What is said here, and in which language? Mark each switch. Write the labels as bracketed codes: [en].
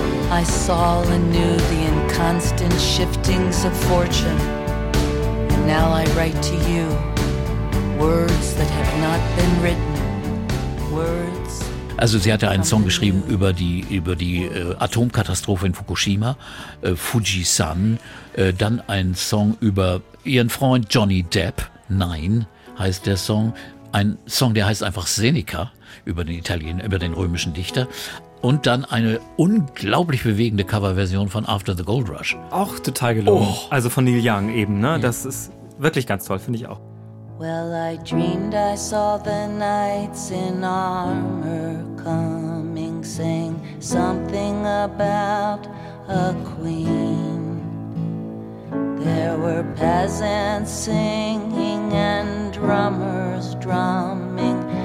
[en] I saw and knew the inconstant shiftings of fortune, and now I write to you words that have not been written. Words. [de] Also sie hatte einen Song geschrieben über die Atomkatastrophe in Fukushima, Fuji-san, dann einen Song über ihren Freund Johnny Depp, Nein heißt der Song, ein Song, der heißt einfach Seneca, über den römischen Dichter. Und dann eine unglaublich bewegende Coverversion von After the Gold Rush. Auch total gelungen. Oh. Also von Neil Young eben, ne? Ja. Das ist wirklich ganz toll, finde ich auch. [en] Well, I dreamed I saw the knights in armor coming, saying something about a a queen. There were peasants singing and drummers drumming.